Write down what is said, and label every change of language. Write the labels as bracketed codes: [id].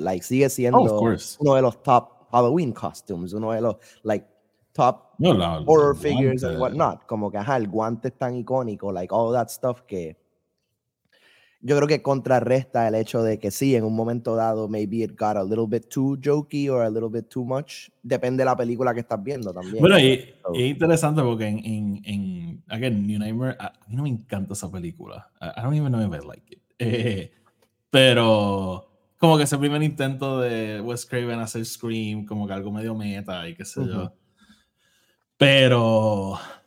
[es] Like, sigue siendo uno de los [en] top Halloween costumes, [es] uno de los like [en] top horror figures and whatnot, [es] como que ajá, el guante es tan icónico, like [en] all that stuff, [es] que yo creo que contrarresta el hecho de que sí, en un momento dado [en] maybe it got a little bit too jokey or a little bit too much, [es] depende de la película que estás viendo también. Bueno, y es interesante porque en again, New Nightmare, a mí no me encanta esa película. [en] I don't even know if I like it. [es] Pero como que ese primer intento de Wes Craven hacer Scream, como que algo medio meta y qué sé yo. Pero...